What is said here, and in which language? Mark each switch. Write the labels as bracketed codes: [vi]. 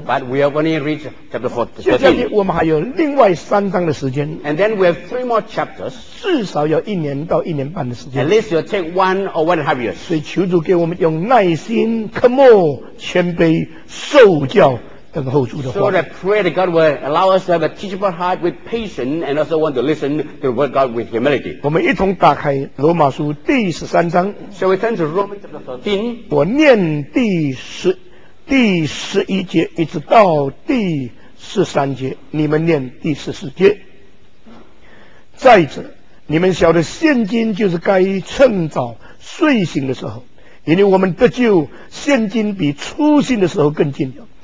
[en] But we have only reached chapter 14. [zh] 接下来我们还有另外三章的时间。 [en] And then we have 3 more chapters. [zh] 至少有一年到一年半的时间。 [en] At least you'll take 1 or 1.5 years. [zh] 所以求主给我们用耐心、科目、谦卑、受教。等候主的话。 [en] So that pray that God will allow us to have a teachable heart with patience and also want to listen to the word of God with humility. [zh] 我们一同打开罗马书第十三章。 [en] So we turn to Romans chapter 13. [zh] 我念第十一节一直到第十三节，你们念第十四节。再者，你们晓得现今就是该趁早睡醒的时候，因为我们得救，现今比初信的时候更近了。